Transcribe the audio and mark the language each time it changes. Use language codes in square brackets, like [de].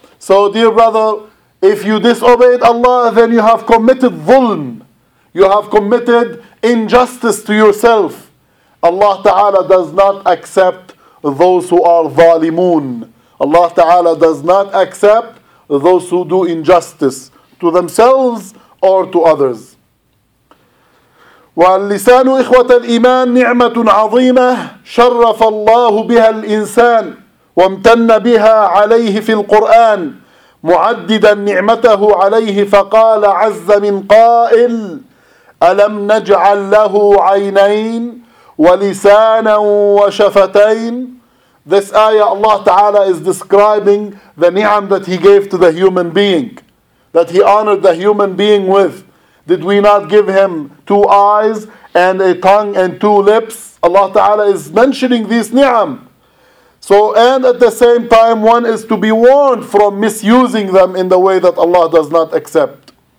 [en] So dear brother, if you disobeyed Allah, then you have committed ظلم, you have committed injustice to yourself. Allah Ta'ala does not accept those who are ظالمون. Allah Ta'ala does not accept those who do injustice to themselves or to others. [ar] واللسان إخوة الإيمان نعمة عظيمة شرف الله بها الإنسان وامتن بها عليه في القرآن معددا نعمته عليه فقال عز من قائل: ألم نجعل له عينين ولسانا وشفتين. [en] This ayah Allah Ta'ala is describing the ni'am that He gave to the human being, that He honored the human being with. Did we not give him two eyes and a tongue and two lips? Allah Ta'ala is mentioning these ni'am. So, and at the same time, one is to be warned from misusing them in the way that Allah does not accept.